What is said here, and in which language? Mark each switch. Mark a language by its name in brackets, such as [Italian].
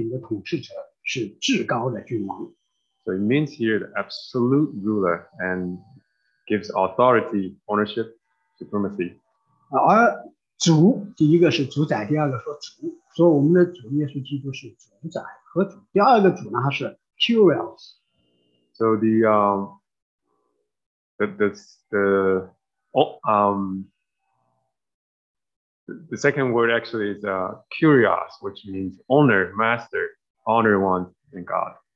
[Chinese] 它是指的是一个绝对权柄的统治者，是至高的君王。So [English] it means here the absolute ruler and gives authority, ownership, supremacy. [Chinese] 而主，第一个是主宰，第二个说主，说我们的主耶稣基督是主宰和主。第二个主呢，它是 Kyrios. [English] So the second word actually is kurios, which means owner, master, honor one in God.